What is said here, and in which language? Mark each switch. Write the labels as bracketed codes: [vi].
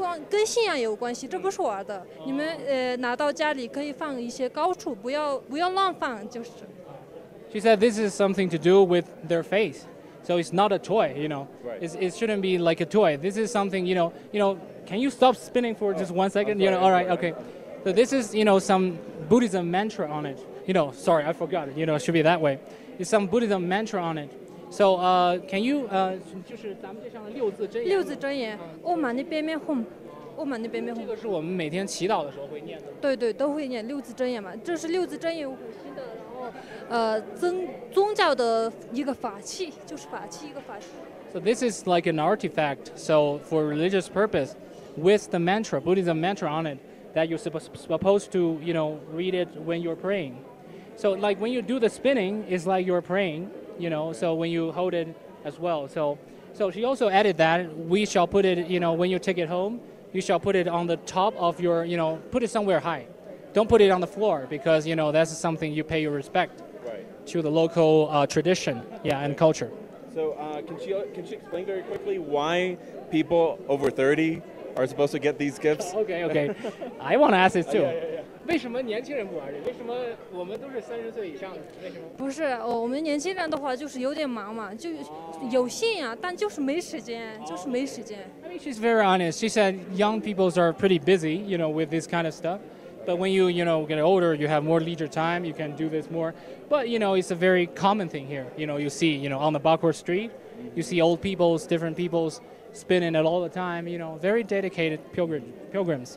[zh] 跟信仰有关系，这不是玩的。你们拿到家里可以放一些高处，不要乱放，就是。 [en] She said this is something to do with their faith, so it's not a toy, you know. Right. It shouldn't be like a toy. This is something, you know. Can you stop spinning for just one second? Sorry, you know. All right. Okay. So this is, you know, some Buddhism mantra on it. You know. Sorry, I forgot. You know, it should be that way. It's some Buddhism mantra on it. So, can you, [zh] 就是咱们这上的六字真言。六字真言 ，Om Mani Padme Hum， Om Mani Padme Hum。这个是我们每天祈祷的时候会念的。对，都会念六字真言嘛，这是六字真言，五行的，然后，宗教的一个法器，就是法器一个法器。 [en] So this is like an artifact. So for religious purpose, with the mantra, Buddhism mantra on it, that you're supposed to, you know, read it when you're praying. So like when you do the spinning, it's like you're praying. You know, so when you hold it as well. So she also added that we shall put it, you know, when you take it home, you shall put it on the top of your, you know, put it somewhere high. Don't put it on the floor because, you know, that's something you pay your respect right. to the local tradition, yeah, and culture. So can she explain very quickly why people over 30 are supposed to get these gifts? Okay. I want to ask this too. Yeah. [zh] 为什么年轻人不玩这？为什么我们都是三十岁以上的？为什么？不是哦，我们年轻人的话就是有点忙嘛，就有信仰，但就是没时间， [en] I mean, she's very honest. She said young people are pretty busy, you know, with this kind of stuff. But when you, you know, get older, you have more leisure time, you can do this more. But you know, it's a very common thing here. You know, you see, you know, on the Bakur Street, you see old people's, different people's. Spinning it all the time, you know, very dedicated pilgrims.